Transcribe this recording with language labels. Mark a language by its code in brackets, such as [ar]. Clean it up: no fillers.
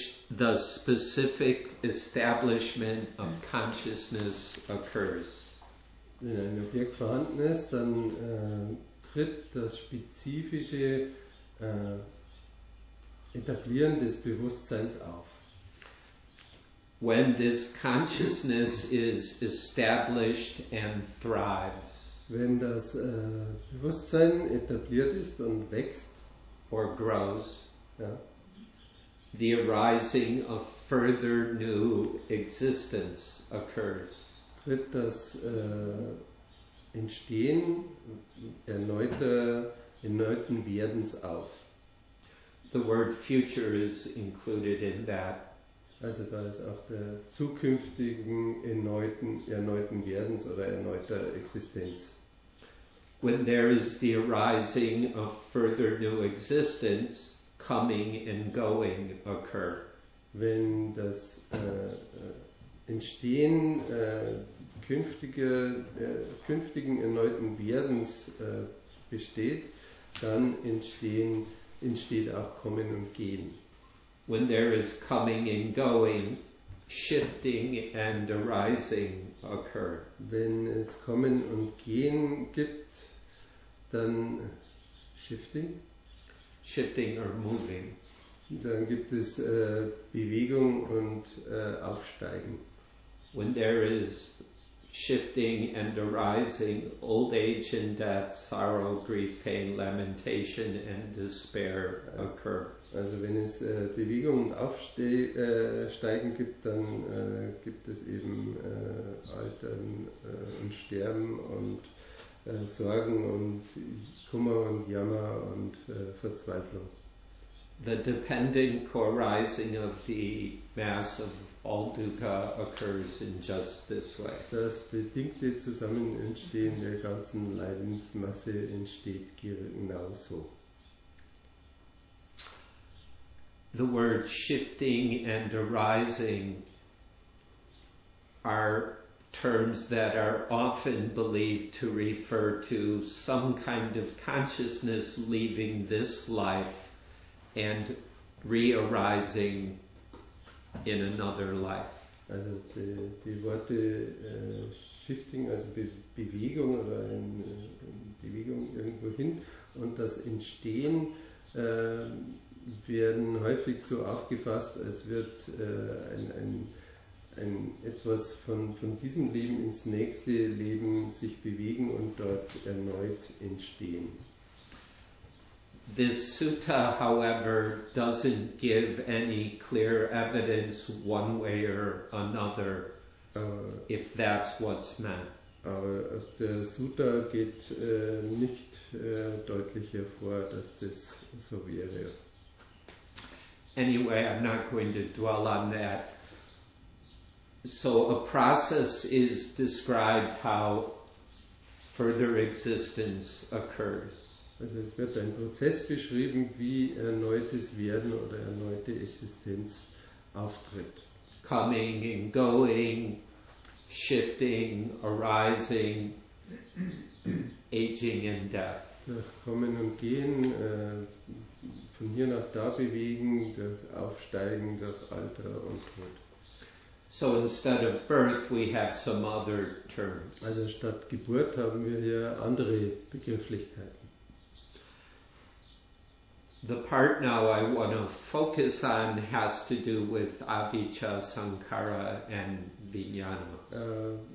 [en] the specific establishment of consciousness occurs. [de] Wenn ein Objekt vorhanden ist, dann tritt das spezifische Etablieren des Bewusstseins auf. [en] When this consciousness is established and thrives, [de] wenn das Bewusstsein etabliert ist und wächst, [en] or grows, [de] ja, [en] the arising of further new existence occurs, [de] tritt das Entstehen erneuten Werdens auf. [en] The word future is included in that. [de] Also da ist auch der zukünftigen erneuten Werdens oder erneuter Existenz. [en] When there is the arising of further new existence, coming and going occur. [de] Wenn das Entstehen künftigen erneuten Werdens besteht, dann entsteht auch Kommen und Gehen. [en] When there is coming and going, shifting and arising occur. [de] Wenn es Kommen und Gehen gibt, dann [en] shifting or moving. [de] Dann gibt es Bewegung und Aufsteigen. [en] When there is shifting and arising, old age and death, sorrow, grief, pain, lamentation and despair occur. [de] Also wenn es Bewegung und Aufsteigen gibt, dann gibt es eben Altern und Sterben und Sorgen und Kummer und Jammer und Verzweiflung. [en] The dependent co-arising of the mass of all dukkha occurs in just this way. [de] Das bedingte Zusammenentstehen der ganzen Leidensmasse entsteht genauso. [en] The word shifting and arising are terms that are often believed to refer to some kind of consciousness leaving this life and re-arising in another life. [de] Also die Worte shifting, also Bewegung oder Bewegung irgendwo hin und das Entstehen werden häufig so aufgefasst, als wird ein etwas von diesem Leben ins nächste Leben sich bewegen und dort erneut entstehen. [en] This sutta, however, doesn't give any clear evidence one way or another, if that's what's meant. [de] Aber aus der Sutta geht nicht deutlich hervor, dass das so wäre. [en] Anyway, I'm not going to dwell on that. So a process is described how further existence occurs. [de] Also es wird ein Prozess beschrieben, wie erneutes Werden oder erneute Existenz auftritt. [en] Coming and going, shifting, arising, aging and death. [de] Durch Kommen und Gehen, von hier nach da bewegen, durch Aufsteigen, durch Alter und Tod. [en] So instead of birth, we have some other terms. [de] Also statt Geburt haben wir hier andere Begrifflichkeiten. [en] The part now I want to focus on has to do with avijja, sankhara and vijnana.